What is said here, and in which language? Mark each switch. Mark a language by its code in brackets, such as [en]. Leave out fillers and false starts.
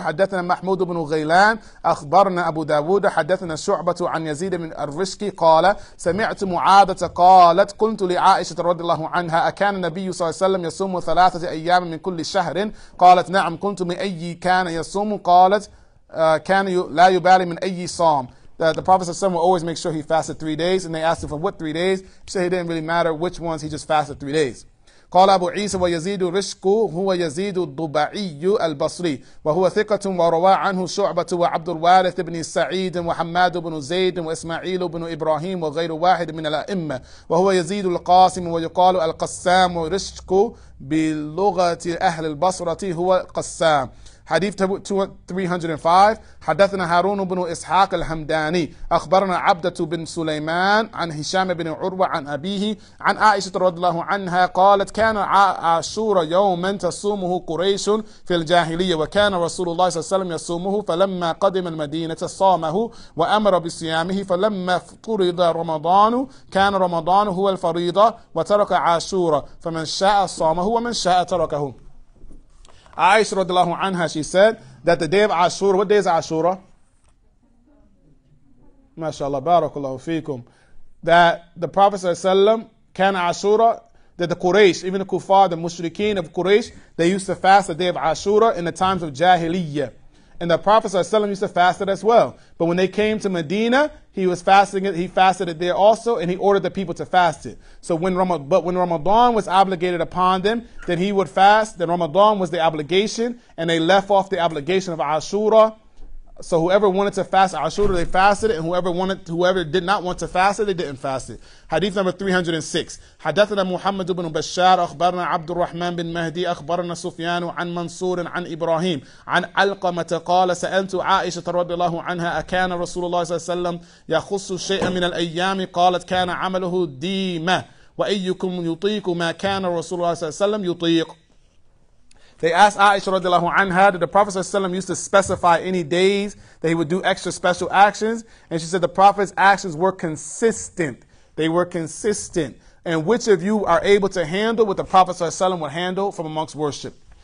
[ar] حدثنا محمود بن غيلان أخبرنا أبو داود حدثنا شعبة عن يزيد بن الرشكي قال سمعت معادة قالت قلت لعائشة رضي الله عنها أكان النبي صلى الله عليه وسلم يصوم 3 أيام من كل شهر؟ قالت نعم. كنت من أي كان يصوم؟ قالت كان لا يبالي من أي صام. [en] The Prophet ﷺ will always make sure he fasted 3 days, and they asked him for what 3 days. He said it didn't really matter which ones, he just fasted 3 days. [ar] قال أبو عيسى ويزيد رشكو هو يزيد الضبعي البصري وهو ثقة وروى عنه شعبة وعبد الوارث بن سعيد وحماد بن زيد وإسماعيل بن إبراهيم وغير واحد من الأئمة وهو يزيد القاسم ويقال القسام ورشكو بلغة أهل البصرة هو قسام. [en] Hadith 305. [ar] حدثنا هارون بن إسحاق الحمداني أخبرنا عبدة بن سليمان عن هشام بن عروة عن أبيه عن عائشة رضي الله عنها قالت كان عاشور يوما تصومه قريش في الجاهلية وكان رسول الله صلى الله عليه وسلم يصومه فلما قدم المدينة صامه وأمر بصيامه فلما فرض رمضان كان رمضان هو الفريضة وترك عاشورا فمن شاء صامه ومن شاء تركه. [en] Aisha radiallahu anha, she said that the day of Ashura, what day is Ashura? MashaAllah, barakallahu feekum. That the Prophet sallallahu alayhi wa sallam, can Ashura, that the Quraysh, even the Kufar, the Mushrikeen of Quraysh, they used to fast the day of Ashura in the times of Jahiliyyah. And the Prophet sallallahu alayhi wa sallam used to fast it as well. But when they came to Medina, he was fasting it, he fasted it there also, and he ordered the people to fast it. So when Ramadan was obligated upon them, then he would fast, then Ramadan was the obligation, and they left off the obligation of Ashura. So whoever wanted to fast Ashura, they fasted it, and whoever did not want to fast it, they didn't fast it. Hadith number 306. [ar] حدثنا محمد بن بشار أخبرنا عبد الرحمن بن مهدي أخبرنا سفيان عن منصور عن إبراهيم عن علقمة قال سألت عائشة رضي الله عنها أكان رسول الله صلى الله عليه وسلم يخص شيئا من الأيام؟ قالت كان عمله ديمة وأيكم يطيق ما كان رسول الله صلى الله عليه وسلم يطيق. [en] They asked Aisha radiallahu anha, did the Prophet sallallahu alayhi wa sallam used to specify any days that he would do extra special actions? And she said the Prophet's actions were consistent. They were consistent. And which of you are able to handle what the Prophet sallallahu alayhi wa sallam would handle from amongst worship?